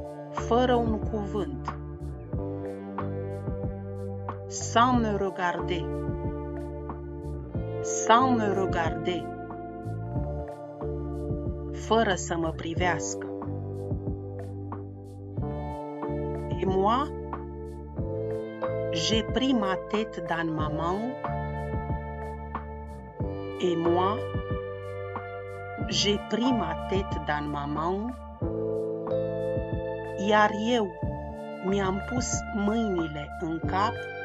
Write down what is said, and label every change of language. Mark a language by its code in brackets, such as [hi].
[ro] Fără un cuvânt. [fr] Sans me regarder. sans me regarder, [ro] fără să mă privească. [fr] Et moi, j'ai pris ma tête dans ma main. Et moi, j'ai pris ma tête dans ma main. [ro] Iar eu mi-am pus mâinile în cap.